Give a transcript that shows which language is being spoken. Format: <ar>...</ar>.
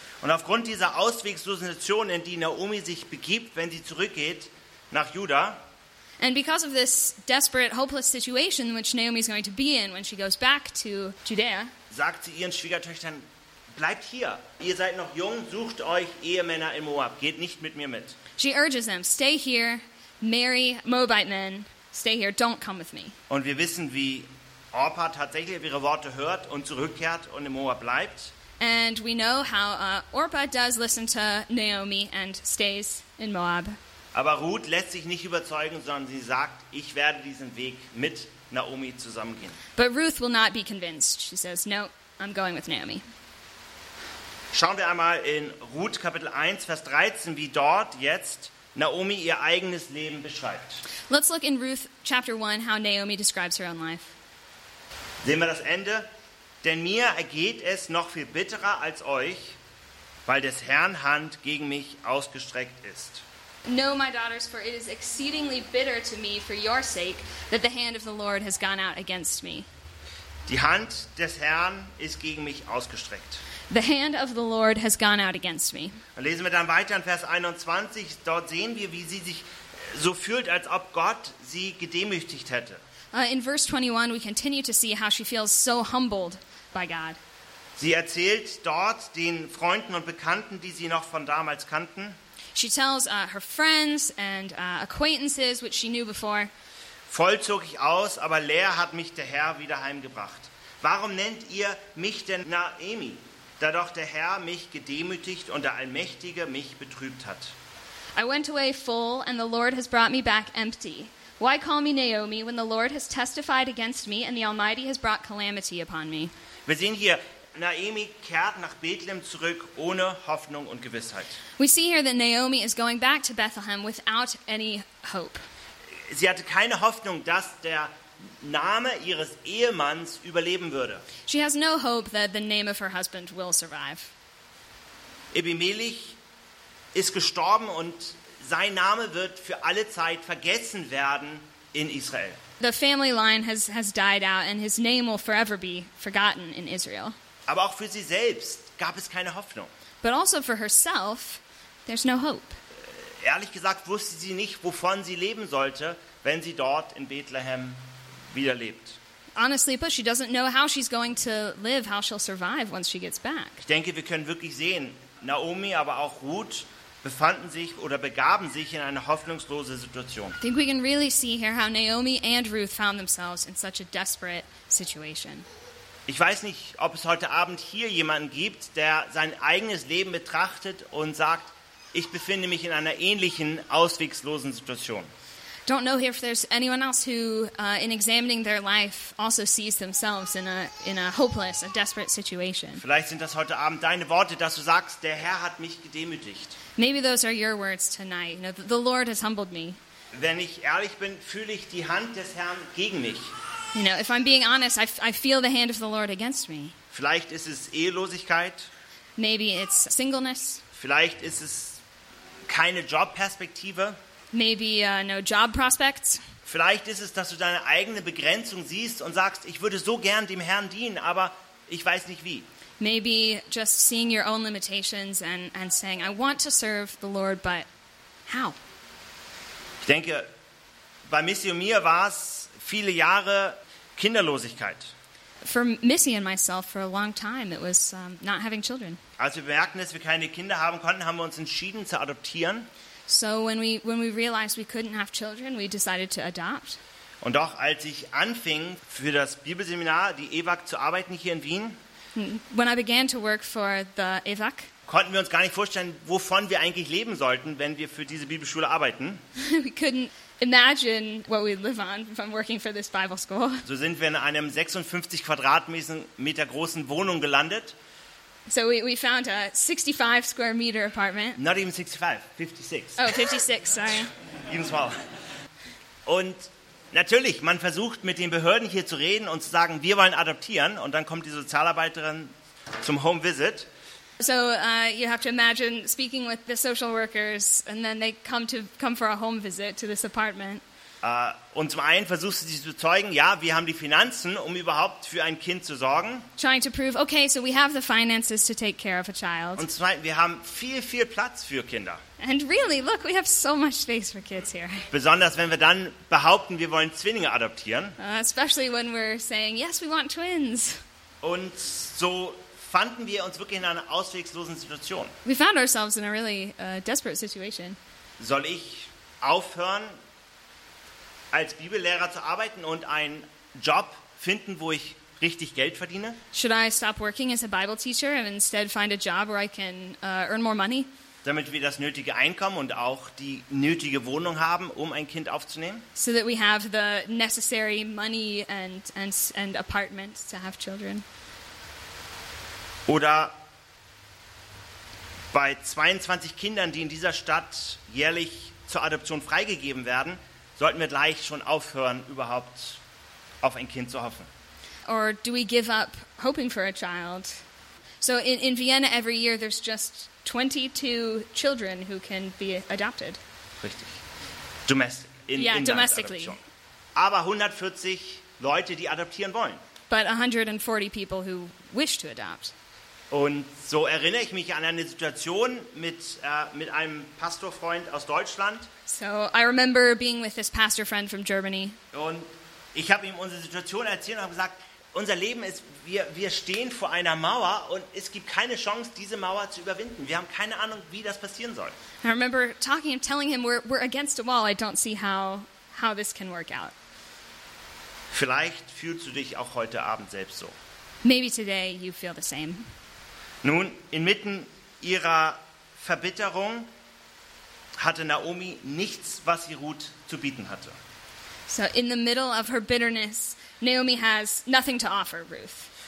<de>Und aufgrund dieser ausweglosen Situation, in die Naomi sich begibt, wenn sie zurückgeht nach Juda.</de> <en>And because of this desperate, hopeless situation, which Naomi is going to be in when she goes back to Judea.</en> <de>Sagt sie ihren Schwiegertöchtern, bleibt hier. Ihr seid noch jung, sucht euch Ehemänner in Moab. Geht nicht mit mir mit.</de> <en>She urges them, stay here, marry Moabite men. Stay here, don't come with me.</en> <de>Und wir wissen, wie Orpa tatsächlich ihre Worte hört und zurückkehrt und in Moab bleibt.</de> <en>And we know how Orpa does listen to Naomi and stays in Moab.</en> <de>Aber Ruth lässt sich nicht überzeugen, sondern sie sagt, ich werde diesen Weg mit Naomi zusammengehen.</de> <en>But Ruth will not be convinced. She says, no, I'm going with Naomi.</en> <de>Schauen wir einmal in Ruth Kapitel 1, Vers 13, wie dort jetzt Naomi ihr eigenes Leben beschreibt.</de> <en>Let's look in Ruth chapter 1, how Naomi describes her own life.</en> <de>Sehen wir das Ende? Denn mir ergeht es noch viel bitterer als euch, weil des Herrn Hand gegen mich ausgestreckt ist.</de> <en>No, my daughters, for it is exceedingly bitter to me for your sake that the hand of the Lord has gone out against me.</en> <de>Die Hand des Herrn ist gegen mich ausgestreckt.</de> <en>The hand of the Lord has gone out against me.</en> <de>Und lesen wir dann weiter in Vers 21. Dort sehen wir, wie sie sich so fühlt, als ob Gott sie gedemütigt hätte.</de> <en>In verse 21 we continue to see how she feels so humbled by God.</en> <de>Sie erzählt dort den Freunden und Bekannten, die sie noch von damals kannten.</de> <en>She tells her friends and acquaintances, which she knew before.</en> <de>Voll zog ich aus, aber leer hat mich der Herr wieder heimgebracht. Warum nennt ihr mich denn Naomi? Da doch der Herr mich gedemütigt und der Allmächtige mich betrübt hat.</de> <en>I went away full and the Lord has brought me back empty. Why call me Naomi when the Lord has testified against me and the Almighty has brought calamity upon me?</en> <de>Wir sehen hier, Naomi kehrt nach Bethlehem zurück ohne Hoffnung und Gewissheit.</de> <en>We see here that Naomi is going back to Bethlehem without any hope.</en> <de>Sie hatte keine Hoffnung, dass der Name ihres Ehemanns überleben würde.</de> <en>She has no hope that the name of her husband will survive.</en> <de>Abimelech ist gestorben und sein Name wird für alle Zeit vergessen werden in Israel.</de> <en>The family line has died out and his name will forever be forgotten in Israel.</en> <de>Aber auch für sie selbst gab es keine Hoffnung.</de> <en>But also for herself, there's no hope.</en> <de>Ehrlich gesagt wusste sie nicht, wovon sie leben sollte, wenn sie dort in Bethlehem wieder lebt.</de> <en>Honestly, but she doesn't know how she's going to live, how she'll survive once she gets back.</en> <de>Ich denke, wir können wirklich sehen, Naomi, aber auch Ruth, befanden sich oder begaben sich in eine hoffnungslose Situation.</de> <en>I think we can really see here how Naomi and Ruth found themselves in such a desperate situation.</en> <de>Ich weiß nicht, ob es heute Abend hier jemanden gibt, der sein eigenes Leben betrachtet und sagt, ich befinde mich in einer ähnlichen, auswegslosen Situation.</de> <en>Don't know if there's anyone else who in examining their life also sees themselves in a hopeless, a desperate situation.</en> <de>Vielleicht sind das heute Abend deine Worte, dass du sagst, der Herr hat mich gedemütigt.</de> <en>Maybe those are your words tonight. You know, the Lord has humbled me.</en> <de>Wenn ich ehrlich bin, fühle ich die Hand des Herrn gegen mich.</de> <en>You know, if I'm being honest, I feel the hand of the Lord against me.</en> <de>Vielleicht ist es Ehelosigkeit.</de> <en>Maybe it's singleness.</en> <de>Vielleicht ist es keine Jobperspektive.</de> <en>Maybe no job prospects.</en> <de>Vielleicht ist es, dass du deine eigene Begrenzung siehst und sagst, ich würde so gern dem Herrn dienen, aber ich weiß nicht wie.</de> <en>Maybe just seeing your own limitations and saying, I want to serve the Lord, but how?</en> <de>Ich denke, bei Missy und mir war es viele Jahre Kinderlosigkeit.</de> <en>For Missy and myself, for a long time, it was not having children.</en> <de>Als wir bemerkten, dass wir keine Kinder haben konnten, haben wir uns entschieden zu adoptieren.</de> <en>So when we realized we couldn't have children, we decided to adopt.</en> <de>Und auch als ich anfing für das Bibelseminar, die EWAG, zu arbeiten hier in Wien,</de> <en>when I began to work for the EWAG,</en> <de>konnten wir uns gar nicht vorstellen, wovon wir eigentlich leben sollten, wenn wir für diese Bibelschule arbeiten.</de> <en>We couldn't imagine what we'd live on if I'm working for this Bible school.</en> <de>So sind wir in einem 56 Quadratmeter großen Wohnung gelandet.</de> <en>So we found a 65 square meter apartment. Not even 65, 56. Oh, 56, sorry. Even smaller.</en> <de>Und natürlich, man versucht mit den Behörden hier zu reden und zu sagen, wir wollen adoptieren. Und dann kommt die Sozialarbeiterin zum Home Visit.</de> <en>So you have to imagine speaking with the social workers and then they come for a home visit to this apartment.</en> <de>Und zum einen versuchst du dich zu zeugen, ja, wir haben die Finanzen, um überhaupt für ein Kind zu sorgen.</de> <en>Trying to prove, okay, so we have the finances to take care of a child.</en> <de>Und zum zweiten, wir haben viel, viel Platz für Kinder.</de> <en>And really, look, we have so much space for kids here.</en> <de>Besonders, wenn wir dann behaupten, wir wollen Zwillinge adoptieren.</de> <en>Especially when we're saying, yes, we want twins.</en> <de>Und so fanden wir uns wirklich in einer ausweglosen Situation.</de> <en>We found ourselves in a really desperate situation.</en> <de>Soll ich aufhören, als Bibellehrer zu arbeiten und einen Job finden, wo ich richtig Geld verdiene?</de> <en>Should I stop working as a Bible teacher and instead find a job where I can earn more money?</en> <de>Damit wir das nötige Einkommen und auch die nötige Wohnung haben, um ein Kind aufzunehmen?</de> <en>So that we have the necessary money and apartment to have children.</en> <de>Oder bei 22 Kindern, die in dieser Stadt jährlich zur Adoption freigegeben werden, sollten wir gleich schon aufhören, überhaupt auf ein Kind zu hoffen?</de> <en>Or do we give up hoping for a child? So in Vienna every year there's just 22 children who can be adopted.</en> <de>Richtig. Domestically. Adoption. Aber 140 Leute, die adoptieren wollen.</de> <en>But 140 people who wish to adopt.</en> <de>Und so erinnere ich mich an eine Situation mit einem Pastorfreund aus Deutschland.</de> <en>So I remember being with this pastor friend from Germany.</en> <de>Und ich habe ihm unsere Situation erzählt und habe gesagt, unser Leben ist, wir stehen vor einer Mauer und es gibt keine Chance, diese Mauer zu überwinden. Wir haben keine Ahnung, wie das passieren soll.</de> <en>I remember talking and telling him, we're against a wall. I don't see how this can work out.</en> <de>Vielleicht fühlst du dich auch heute Abend selbst so.</de> <en>Maybe today you feel the same.</en> <de>Nun, inmitten ihrer Verbitterung hatte Naomi nichts, was sie Ruth zu bieten hatte.</de> <en>So in the middle of her bitterness, Naomi has nothing to offer Ruth.</en>